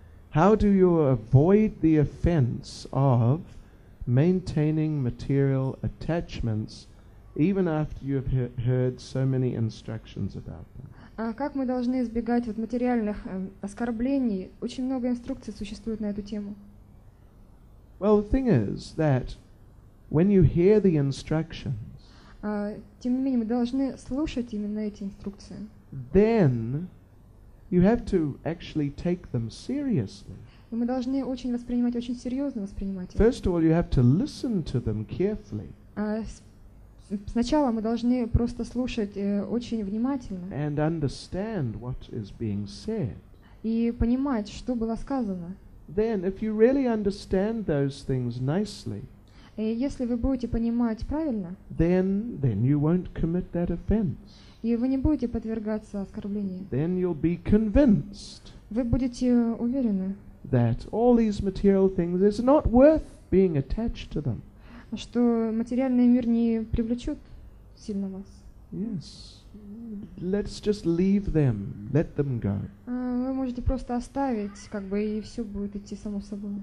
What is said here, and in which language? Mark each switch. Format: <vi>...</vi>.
<en>How do you avoid the offense of maintaining material attachments even after you have heard so many instructions about them?</en> <ru>Как мы должны избегать вот материальных оскорблений? Очень много инструкций существует на эту тему.</ru> <en>Well, the thing is that when you hear the instructions,</en> <ru>тем не менее, мы должны слушать именно эти инструкции.</ru> <en>Then you have to actually take them seriously.</en> <ru>Мы должны очень воспринимать, очень серьезно воспринимать их.</ru> <en>First of all, you have to listen to them carefully.</en> <ru>Сначала мы должны просто слушать очень внимательно.</ru> <en>And understand what is being said.</en> <ru>И понимать, что было сказано.</ru> <en>Then, if you really understand those things nicely,</en> <ru>и если вы будете понимать правильно,</ru> <en>then you won't commit that offense.</en> <ru>И вы не будете подвергаться оскорблению.</ru> <en>Then you'll be convinced.</en> <ru>Вы будете уверены.</ru> <en>That all these material things is not worth being attached to them.</en> <ru>Что материальный мир не привлечет сильно вас.</ru> <en>Yes. Let's just leave them. Let them go.</en> <ru>Вы можете просто оставить, как бы, и все будет идти само собой.</ru>